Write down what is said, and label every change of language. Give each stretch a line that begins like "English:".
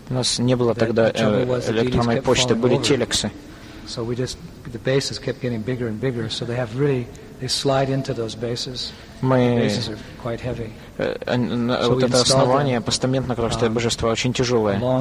Russian: У нас не было тогда электронной почты, были телексы.
English: So we just the bases kept getting bigger and bigger. So they have really they slide into those bases. My bases are quite heavy.
Russian: Вот это основание, постамент, на котором стоит божество, очень тяжелое.